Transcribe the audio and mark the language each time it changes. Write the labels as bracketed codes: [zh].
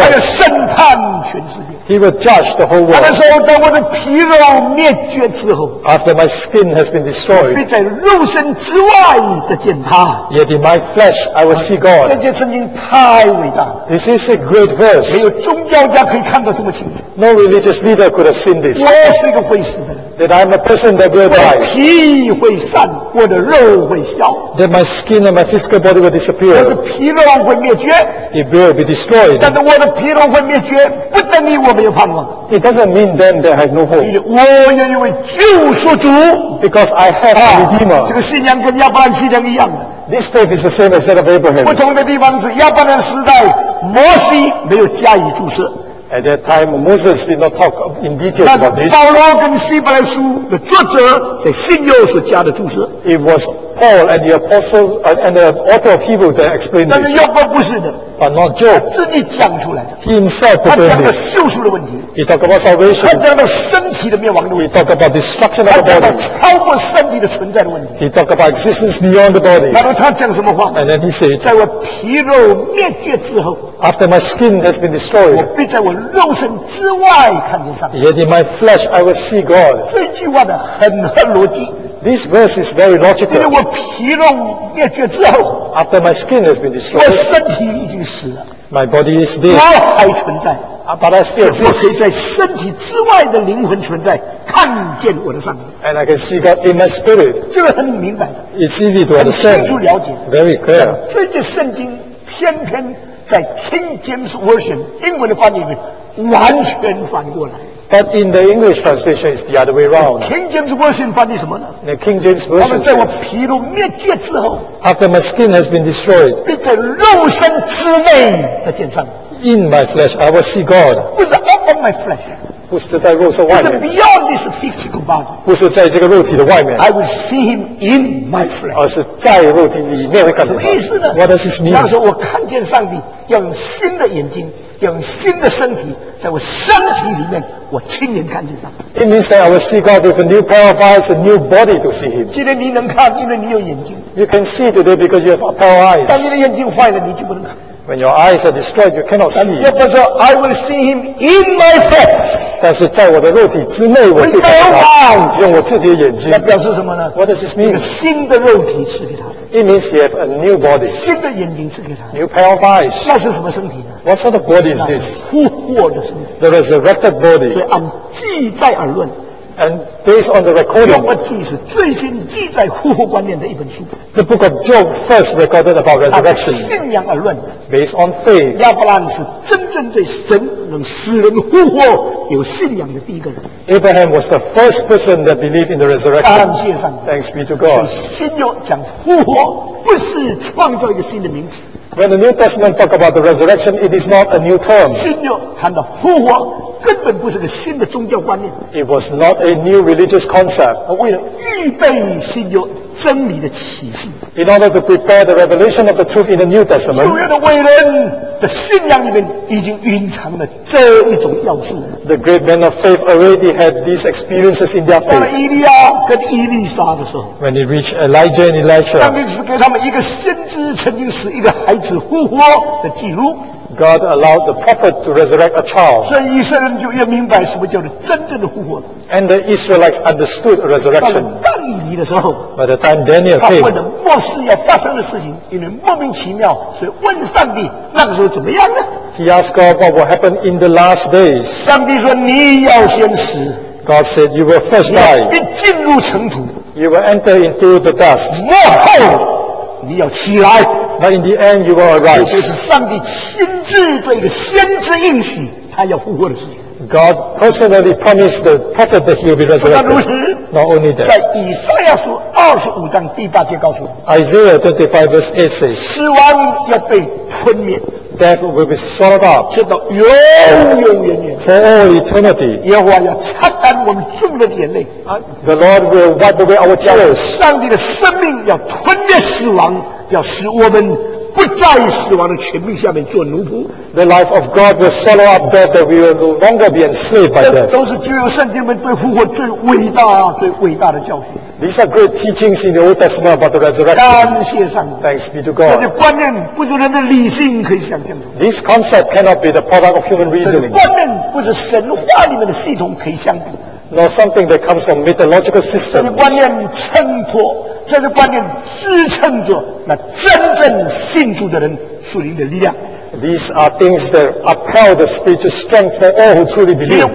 [zh] 他要审判全世界。 [en] He will judge the whole world. [zh] 他说，当我的皮肉灭绝之后。 [en] After my skin has been destroyed. [zh] 必在肉身之外的见他。 [en] Yet in my flesh, I will see God. [zh] 这节圣经太伟大。 [en] This is a great verse. [zh] 没有宗教家可以看到这么清楚。 [en] No religious leader could have seen this. [zh] 我是一个会死的人。 [en] That I'm a person that will die. [zh] 我的皮会散，我的肉会消。 [en] That my skin and my physical body will disappear. [zh] 我的皮肉会灭绝。 [en] It will be destroyed. [zh] 但是我的皮肉会灭绝，不等于我没有盼望。 [en] It doesn't mean then that I have no hope. [zh] 我愿意为救赎主。 [en] Because I have a Redeemer. [zh] 这个信仰跟亚伯兰信仰一样的。 [en] This faith is the same as that of Abraham. [zh] 不同的地方是亚伯兰时代，摩西没有加以注释。 [en] At that time, Moses did not talk in detail about this. [zh] 保罗跟希伯来书的作者在新约所加的注释。 [en] It was Paul and the apostle and the author of Hebrews that explained this. [zh] 但是约伯不是的。 [en] But not Job. [zh] 他自己讲出来的。 [en] He himself proclaimed this. [zh] 他讲的救赎的问题。 [en] He talked about salvation. [zh] 他讲的身体的灭亡的问题。 [en] He talked about destruction of the body. [zh] 他讲的超过身体的存在的问题。 [en] He talked about existence beyond the body. [zh] 然后他讲什么话？ [en] And then he said, [zh] 在我皮肉灭绝之后。 [en] After my skin has been destroyed, [zh] 我必在我肉身之外看见上帝。 [en] Yet in my flesh I will see God. [zh] 这句话的很合逻辑。 [en] This verse is very logical. [zh] 因为我皮肉灭绝之后， [en] After my skin has been destroyed, [zh] 我身体已经死了。 [en] My body is dead. [zh] 我还存在。 [en] But I still exist. [zh] 我可以在身体之外的灵魂存在，看见我的上帝。 [en] And I can see God in my spirit. [zh] 这个很明白。 [en] It's easy to understand. [zh] 很清楚了解。 [en] Very clear. [zh] 这些圣经偏偏在 King James Version 英文的翻译里面完全反过来。 [en] But in the English translation, it's the other way around. [zh] King James Version 翻译什么呢？ [en] The King James Version. [zh] 他们在我皮肉灭绝之后。 [en] After my skin has been destroyed. [zh] 并在肉身之内的见上。 [en] In my flesh, I will see God. [zh] 不是 [en] out of my flesh. [zh] 不是在肉身外面。 [en] It's beyond this physical body. [zh] 不是在这个肉体的外面。 [en] I will see Him in my flesh. [zh] 而是在肉体里面会看到。什么意思呢？ [en] What does this mean? [zh] 他说我看见上帝，要用新的眼睛。用新的身体，在我身体里面，我亲眼看见上帝。 [en] It means that I will see God with a new pair of eyes, a new body to see Him. [zh] 今天你能看，因为你有眼睛。 [en] You can see today because you have a pair of eyes. [zh] 当你的眼睛坏了，你就不能看。 [en] When your eyes are destroyed, you cannot see. [zh] 约伯说 [en] ，I will see Him in my flesh. [zh] 但是在我的肉体之内，我就看到他。用我自己的眼睛。那表示什么呢 [en] ？What does this mean? [zh] 新的肉体赐给他。 [en] It means he have a new body. [zh] 新的眼睛赐给他。 [en] New pair of eyes. [zh] 那是什么身体呢 [en] ？What sort of body is this? [zh] 复活的身体。 [en] The resurrected body. [zh] 所以按记载而论。 [en] And based on the recording, [zh] 约伯记是最新记载复活观念的一本书。 [en] The book of Job first recorded about resurrection. [zh] 按信仰而论。 [en] Based on faith, [zh] 亚伯兰是真正对神能使人复活有信仰的第一个人。 [en] Abraham was the first person that believed in the resurrection. [zh] 感谢上帝。 [en] Thanks be to God. [zh] 新约讲复活不是创造一个新的名词。 [en] When the New Testament talk about the resurrection, it is not a new term. [zh] 新约谈的复活。根本不是个新的宗教观念。 [en] It was not a new religious concept. [zh] 为了预备新约真理的启示。 [en] In order to prepare the revelation of the truth in the New Testament. [zh] 旧约的伟人的信仰里面已经蕴藏了这一种要素。 [en] The great men of faith already had these experiences in their faith. [zh] 当伊利亚跟伊利莎的时候。 [en] When he reached Elijah and Elisha. [zh] 上帝只给他们一个先知曾经使一个孩子复活的记录。 [en] God allowed the prophet to resurrect a child. [zh] 所以以色列人就要明白什么叫做真正的复活。 [en] And the Israelites understood a resurrection. [zh] 当以理的时候 [en] ，By the time Daniel came, [zh] 他问了末世要发生的事情，因为莫名其妙，所以问上帝那个时候怎么样呢 [en] ？He asked God what will happen in the last days. [zh] 上帝说你要先死。 [en] God said you will first die. [zh] 你进入尘土。 [en] You will enter into the dust. [zh] 末后你要起来。 [en] But in the end, you will arise. [zh] 这就是上帝亲自对一个先知应许，他要复活的事情。 [en] God personally promised the prophet that he will be resurrected. [zh] 不但如此 [en] ，Not only that. [zh] 在以赛亚书二十五章第八节告诉我 [en] ，Isaiah 25 verse 8 says， [zh] 死亡要被吞灭 [en] ，Death will be swallowed up， [zh] 直到永永远远 [en] ，For all eternity。 [zh] 耶和华要擦干我们众人的眼泪 [en] ，The Lord will wipe away our tears。 [zh] 上帝的生命要吞灭死亡。要使我们不在死亡的权柄下面做奴仆。 [en] The life of God will swallow up death that we will no longer be enslaved by death. [zh] 这都是旧约圣经们对复活最伟大、最伟大的教训。 [en] These are great teachings in the Old Testament about the resurrection. [zh] 感谢上帝。 [en] Thanks be to God. [zh] 这些观念不是人的理性可以想象的。 [en] This concept cannot be the product of human reasoning. [zh] 这些观念不是神话里面的系统可以相比。 [en] Nor something that comes from mythological systems. [zh] 这些观念衬托。这个观念支撑着那真正信主的人属灵的力量。 [en] These are things that upheld the spiritual strength for all who truly believe.